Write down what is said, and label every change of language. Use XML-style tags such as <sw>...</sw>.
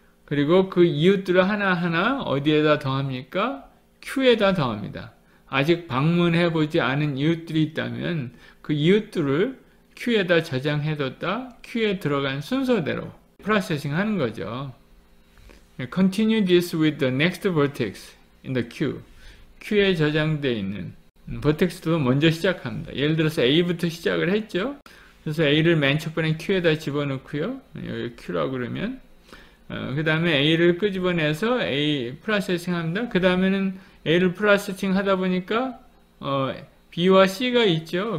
<ko>그리고 그 이웃들을 하나하나 어디에다 더합니까? Q에다 더합니다. 아직 방문해 보지 않은 이웃들이 있다면 그 이웃들을 Q에다 저장해뒀다 Q에 들어간 순서대로 프로세싱 하는 거죠.</ko> <en>Continue this with the next vertex in the queue.</en> <ko>Q에 저장되어 있는 vertex도 먼저 시작합니다. 예를 들어서 A부터 시작을 했죠. 그래서 A를 맨첫 번에 Q에다 집어넣고요. 여기 Q라고 그러면 그 다음에 A를 끄집어내서 A 프로세싱 합니다. 그 다음에는 A를 프로세싱 하다 보니까 B와 C가 있죠.</ko>